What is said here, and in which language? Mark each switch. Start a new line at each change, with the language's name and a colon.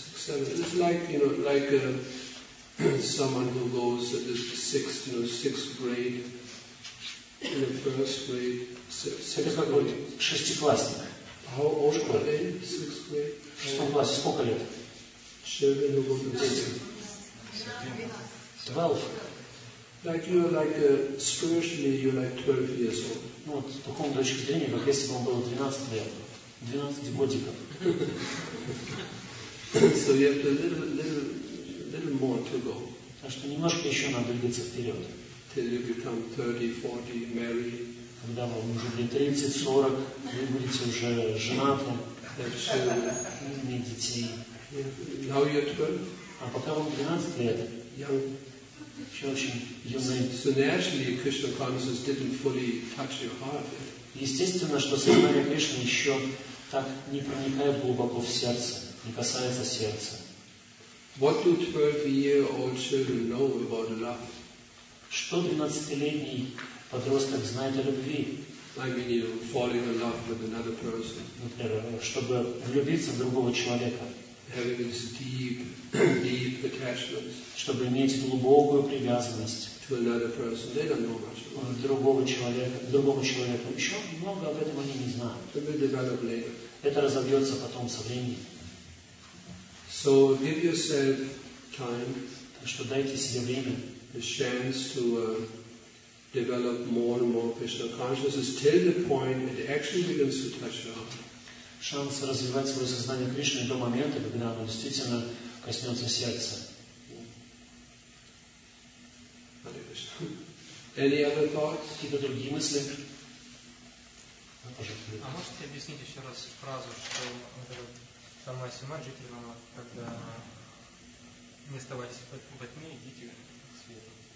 English: It's like, you know, like someone who goes to the sixth grade, in the first grade.
Russian: Это как будет шестиклассник.
English: How old are they? Sixth grade.
Russian: В шестом классе сколько лет?
English: Children who go to the 12. Like you're like spiritually you're like 12 years old.
Russian: Ну, вот, с такой точки зрения, как если бы он был 12 лет. 12 годиков.
English: So you have to little more to go.
Russian: Так что немножко еще надо двигаться вперед.
English: Till you become 30-40 married.
Russian: Когда вам уже не 30-40, вы будете уже женаты.
English: Have children.
Russian: Иметь детей.
English: Now you're 12.
Russian: А пока вам 12 лет.
English: Young.
Russian: Еще очень юный.
English: So naturally, Krishna consciousness didn't fully touch your heart.
Russian: Естественно, что сознание Кришны еще так не проникает глубоко в сердце, не касается сердца.
English: What do 12-year-old children know about love?
Russian: Что 12-летний подросток знает о любви?
English: I mean, you know, falling in love with another person.
Russian: Например, чтобы влюбиться в другого человека.
English: Having this deep attachments.
Russian: Чтобы иметь глубокую привязанность.
English: To another person, they don't know much.
Russian: Другому человеку. Еще много об этом они не знают. Это разобьется потом со временем.
English: So give yourself time.
Russian: Так что дайте себе время.
English: The chance to develop more and more Krishna consciousness till the point it actually begins to touch your heart.
Russian: Шанс развивать свое сознание Кришны до момента, когда оно действительно коснется сердца.
English: Any other thoughts?
Russian: Какие-то другие мысли? А можете объяснить еще раз фразу, что Тамаси Маджити Рама, когда не оставайтесь во тьме, идите к свету.